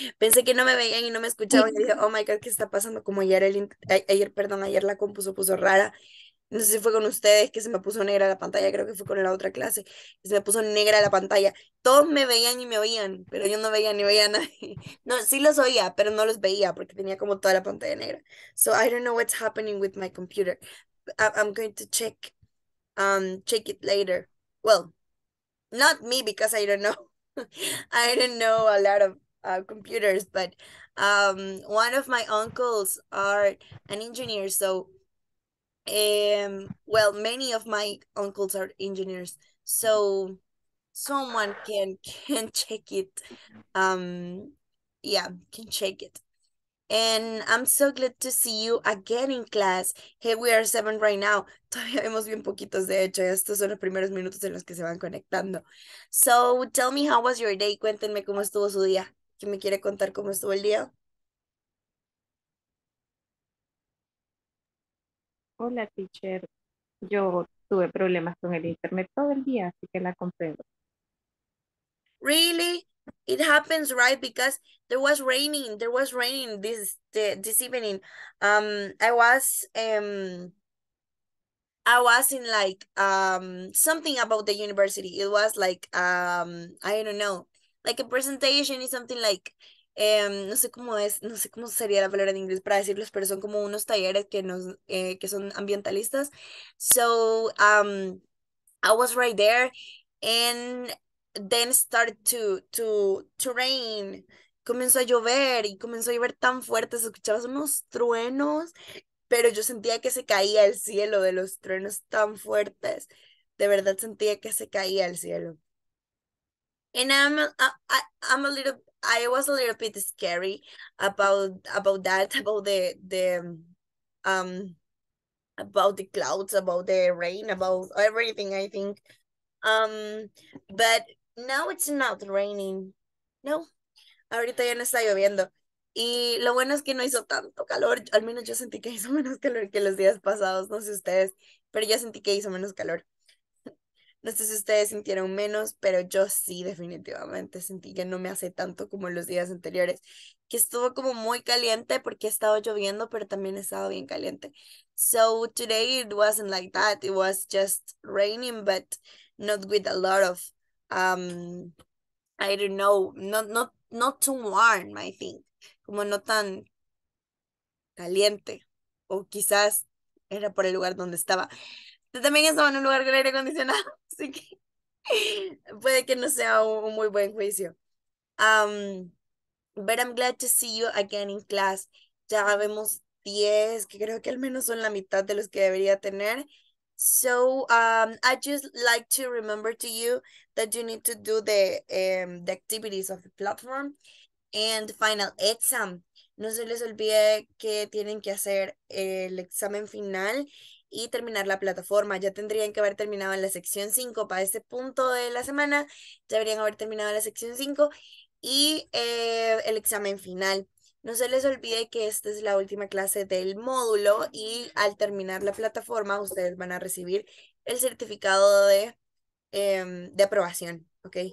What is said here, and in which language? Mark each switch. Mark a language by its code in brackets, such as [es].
[es] Pensé que no me veían y no me escuchaban. Y dije, [en] oh my God, [es] ¿qué está pasando? Como ayer la compu se puso rara. No sé si fue con ustedes que se me puso negra la pantalla. Creo que fue con la otra clase. Se me puso negra la pantalla. Todos me veían y me oían, pero yo no veía ni veía a nadie. No, sí los oía, pero no los veía porque tenía como toda la pantalla negra. [en] So I don't know what's happening with my computer. I'm going to check it later. Well, not me because I don't know. I don't know a lot of computers, but one of my uncles are an engineer. So, well, many of my uncles are engineers. So, someone can check it. Yeah, can check it. And I'm so glad to see you again in class. Hey, we are seven right now. [es] Todavía vemos bien poquitos, de hecho. Estos son los primeros minutos en los que se van conectando. [en] So, tell me how was your day. [es] Cuéntenme cómo estuvo su día. ¿Quién me quiere contar cómo estuvo el día? Hola, teacher. Yo tuve problemas con el internet todo el día, así que la comprendo. [en] Really? It happens, right? Because there was raining. There was raining this evening. I was in like something about the university. It was like I don't know, like a presentation or something like [es] no sé cómo es, no sé cómo sería la palabra en inglés para decirlos, pero son como unos talleres que nos que son ambientalistas. [en] So I was right there and then start to rain. [es] Comenzó a llover y comenzó a llover tan fuerte, se escuchaban unos truenos, pero yo sentía que se caía el cielo de los truenos tan fuertes. De verdad sentía que se caía el cielo. [en] And I'm a little, I was a little bit scary about that, about about the clouds, about the rain, about everything, I think. But no, it's not raining. [es] No, ahorita ya no está lloviendo. Y lo bueno es que no hizo tanto calor. Al menos yo sentí que hizo menos calor que los días pasados. No sé ustedes, pero yo sentí que hizo menos calor. No sé si ustedes sintieron menos, pero yo sí, definitivamente sentí que no me hace tanto como en los días anteriores. Que estuvo como muy caliente porque estaba lloviendo, pero también estaba bien caliente. [en] So today it wasn't like that. It was just raining, but not with a lot of. I don't know, not too warm, I think, [es] como no tan caliente, o quizás era por el lugar donde estaba. Yo también estaba en un lugar con aire acondicionado, así que puede que no sea un muy buen juicio. [en] But I'm glad to see you again in class. [es] Ya vemos 10, que creo que al menos son la mitad de los que debería tener. [en] So, I just like to remember to you that you need to do the activities of the platform and final exam. [es] No se les olvide que tienen que hacer el examen final y terminar la plataforma. Ya tendrían que haber terminado en la sección 5 para este punto de la semana. Ya deberían haber terminado la sección 5 y el examen final. No se les olvide que esta es la última clase del módulo y al terminar la plataforma ustedes van a recibir el certificado de aprobación, ¿ok?